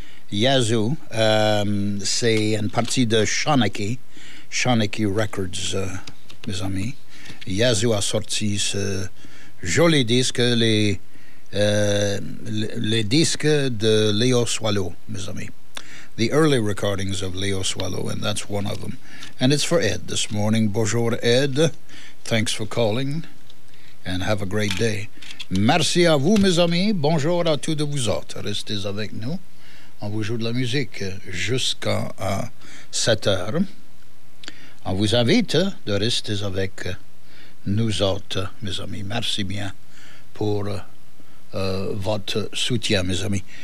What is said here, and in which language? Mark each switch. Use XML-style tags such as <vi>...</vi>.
<fr>Yazoo, c'est une partie de Shawnee Records, mes amis. Yazoo a sorti ce joli disque, les disques de Leo Swallow, mes amis.</fr> <en>The early recordings of Leo Swallow, and that's one of them. And it's for Ed this morning.</en> <fr>Bonjour,</fr> <en>Ed. Thanks for calling, and have a great day.</en> <fr>Merci à vous, mes amis. Bonjour à tous de vous autres. Restez avec nous. On vous joue de la musique jusqu'à 7 heures. On vous invite de rester avec nous autres, mes amis. Merci bien pour votre soutien, mes amis.</fr>